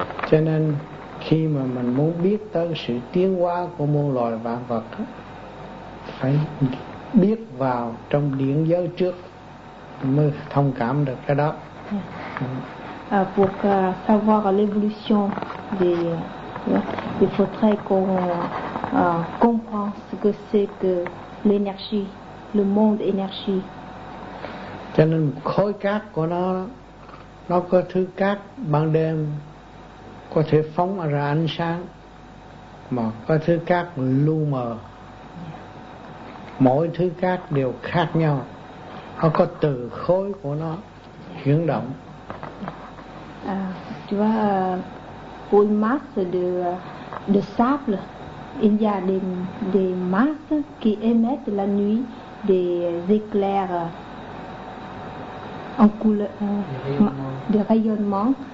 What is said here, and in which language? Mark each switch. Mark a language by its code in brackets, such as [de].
[vi] Cho nên khi mà mình muốn biết tới sự tiến hóa của muôn loài vạn vật đó, phải biết vào trong điển giới trước mới thông cảm được cái đó. [fr] Pour savoir l'évolution il faudrait qu'on comprenne ce que c'est que l'énergie, le monde énergie. [vi] Cho nên khối cát của nó có thứ cát ban đêm có thể phóng ra ánh sáng, mà có thứ cát lu mờ. Mỗi thứ cát đều khác nhau, nó có từ khối của nó chuyển động. [fr] Tu vois, pour une masse de sable, il y a des masses qui émettent la nuit des éclairs en couleur, des rayonnements.